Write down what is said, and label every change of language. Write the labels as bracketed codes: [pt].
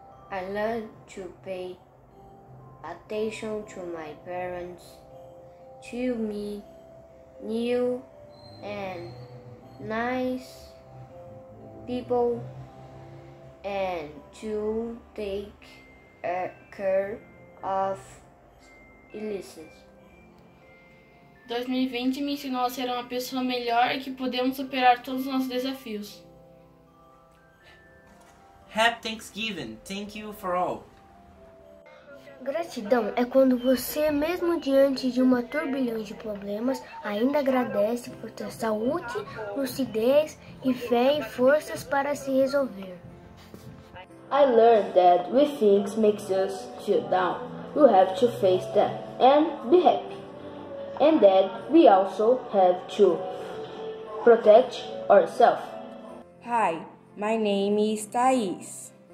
[en] I learned to pay attention to my parents, to me, new and nice people, and to take care of illnesses. [pt] 2020 me ensinou a ser uma pessoa melhor e que podemos superar todos os nossos desafios. [en] Happy Thanksgiving. Thank you for all. [pt] Gratidão é quando você, mesmo diante de uma turbilhão de problemas, ainda agradece por ter saúde, lucidez e fé e forças para se resolver. [en] I learned that when things make us feel down, we have to face them and be happy. And that we also have to protect ourselves. Hi, my name is Thaís.